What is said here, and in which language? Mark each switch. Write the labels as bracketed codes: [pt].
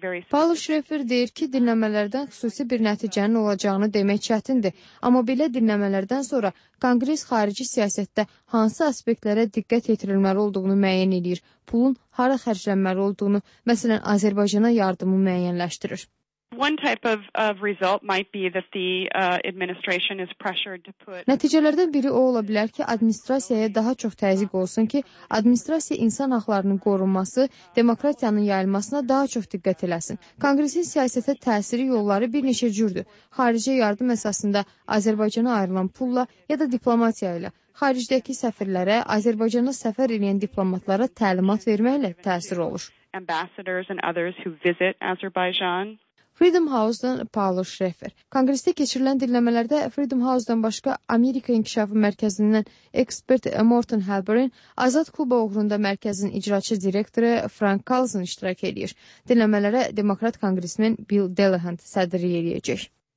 [az] Paulo Schreffer deyir ki, dinləmələrdən xüsusi bir nəticənin olacağını demək çətindir. Amma belə dinləmələrdən sonra Kongres xarici siyasətdə hansı aspektlərə diqqət yetirilməli olduğunu müəyyən edir. Pulun hara xərclənməli olduğunu, məsələn, Azərbaycana yardımı müəyyənləşdirir. [en] One type of result might be that the administration is pressured to put. [az] Nəticələrdən biri o ola bilər ki, administrasiyaya daha çox təzyiq olsun ki, administrasiya insan haqlarının qorunması, demokratiyanın yayılmasına daha çox diqqət eləsin. Kongresin siyasətə təsiri yolları bir neçə cürdür. Xarici yardım əsasında Azərbaycana ayrılan pulla ya da diplomatiya ilə. Xaricdəki səfirlərə, Azərbaycana səfər edən diplomatlara təlimat verməklə təsir olur. [en] Ambassadors and others who visit Azerbaijan. [az] Freedom House-dan Paulo Schreffer. Kongresdə keçirilən dinləmələrdə Freedom House-dan başqa Amerika İnkişafı Mərkəzindən ekspert Morton Halperin, Azad Kuba uğrunda mərkəzin icraçı direktoru Frank Carlson iştirak edir. Dinləmələrə Demokrat Kongresmen Bill Delahunt sədri eləyəcək.